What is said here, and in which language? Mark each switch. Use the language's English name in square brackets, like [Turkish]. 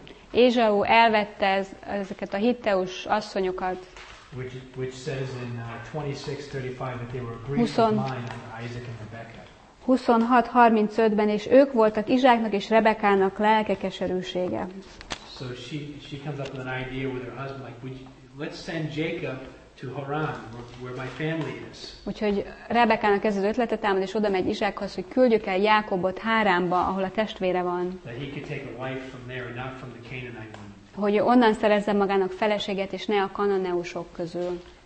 [Hungarian] Ézsau elvette ezeket a hitteus asszonyokat, [English] which says in 26:35 that they were agreed with mine, Isaac and Rebecca. [Hungarian] 26:35-ben és ők voltak Izsáknak és Rebekának lelke keserűsége. [English] So she comes up with an idea with her husband, like, let's send Jacob to Haran, where my family is. [Hungarian] Úgyhogy Rebekának ez az ötlete támad, és oda megy Izsákhoz, hogy küldjük el Jákobot Háránba, ahol a testvére van. [English] That he could take a wife from there and not from the Canaanite one. [Hungarian] Hogy onnan szerezze magának feleséget, és ne a kananeusok közül.